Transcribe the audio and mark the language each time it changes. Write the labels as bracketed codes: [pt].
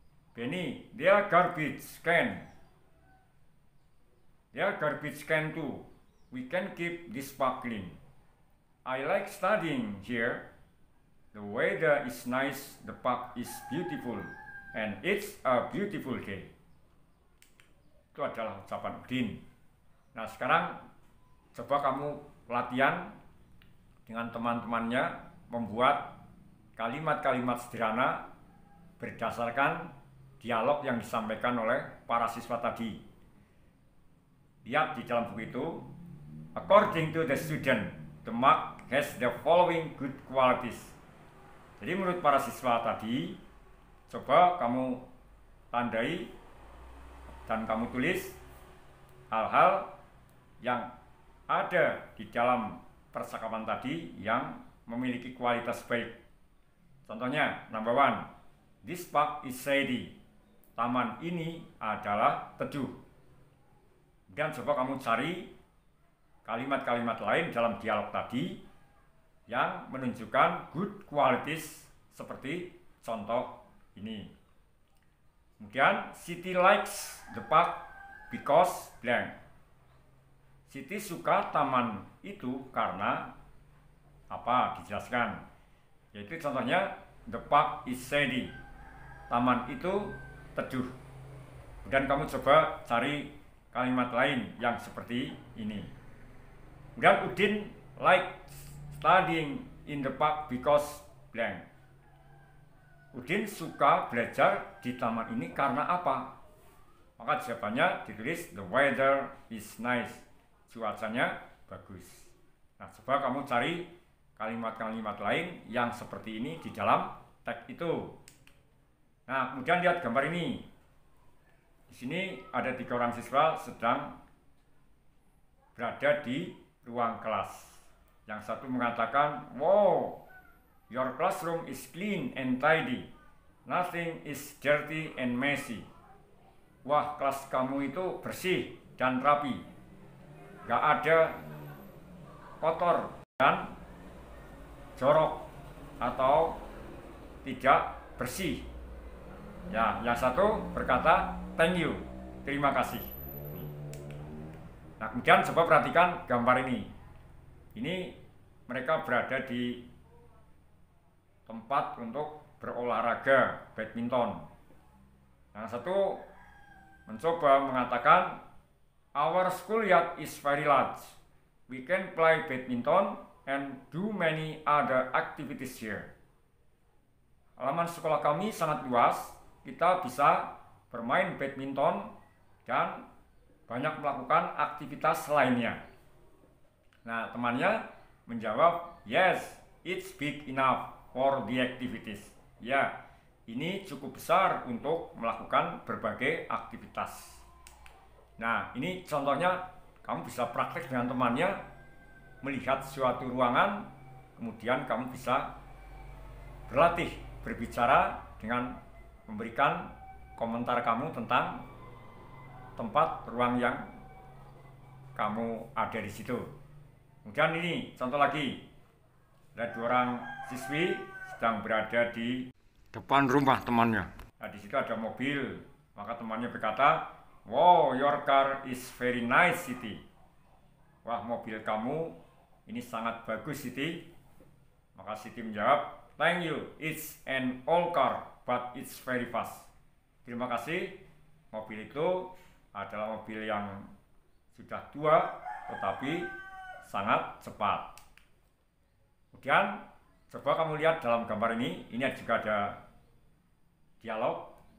[en] Beni, they are garbage can. They are garbage can too. we can keep this park clean. I like studying here. The weather is nice, the park is beautiful, and it's a beautiful day. [id] Itu adalah ucapan Udin. Nah, sekarang coba kamu latihan dengan teman-temannya membuat kalimat-kalimat sederhana berdasarkan dialog yang disampaikan oleh para siswa tadi. Lihat di dalam buku itu, [en] according to the student, the mark has the following good qualities. [id] Jadi menurut para siswa tadi, coba kamu tandai dan kamu tulis hal-hal yang ada di dalam percakapan tadi yang memiliki kualitas baik. Contohnya, [en] number one, this park is shady. [id] Taman ini adalah teduh. Dan coba kamu cari kalimat-kalimat lain dalam dialog tadi yang menunjukkan [en] good qualities [id] seperti contoh ini. Kemudian, [en] city likes the park because blank. [id] Siti suka taman itu karena apa? Dijelaskan. Yaitu contohnya, [en] the park is shady. [id] Taman itu teduh. Kemudian kamu coba cari kalimat lain yang seperti ini. Kemudian [en] Udin likes studying in the park because blank. [id] Udin suka belajar di taman ini karena apa? Maka jawabannya ditulis [en] the weather is nice. [id] Cuacanya bagus. Nah, coba kamu cari kalimat-kalimat lain yang seperti ini di dalam teks itu. Nah, kemudian lihat gambar ini. Di sini ada 3 orang siswa sedang berada di ruang kelas. Yang satu mengatakan, [en] "Wow, your classroom is clean and tidy. Nothing is dirty and messy." [id] Wah, kelas kamu itu bersih dan rapi. Gak ada kotor dan jorok atau tidak bersih. Ya, yang satu berkata, "Thank you." Terima kasih. Nah, kemudian coba perhatikan gambar ini. Ini mereka berada di tempat untuk berolahraga badminton. Yang satu mencoba mengatakan, [en] "Our schoolyard is very large. We can play badminton and do many other activities here." [id] Halaman sekolah kami sangat luas. Kita bisa bermain badminton dan banyak melakukan aktivitas lainnya. Nah, temannya menjawab, [en] "Yes, it's big enough for the activities." [id] Ya, ini cukup besar untuk melakukan berbagai aktivitas. Nah, ini contohnya, kamu bisa praktek dengan temannya, melihat suatu ruangan, kemudian kamu bisa berlatih berbicara dengan memberikan komentar kamu tentang tempat ruang yang kamu ada di situ. Kemudian ini, contoh lagi, ada 2 orang siswi sedang berada di depan rumah temannya. Nah, di situ ada mobil, maka temannya berkata, [en] "Wow, your car is very nice, Siti." [id] Wah, mobil kamu ini sangat bagus, Siti. Maka Siti menjawab, [en] "Thank you, it's an old car, but it's very fast." [id] Terima kasih, mobil itu adalah mobil yang sudah tua, tetapi sangat cepat. Kemudian, coba kamu lihat dalam gambar ini juga ada dialog.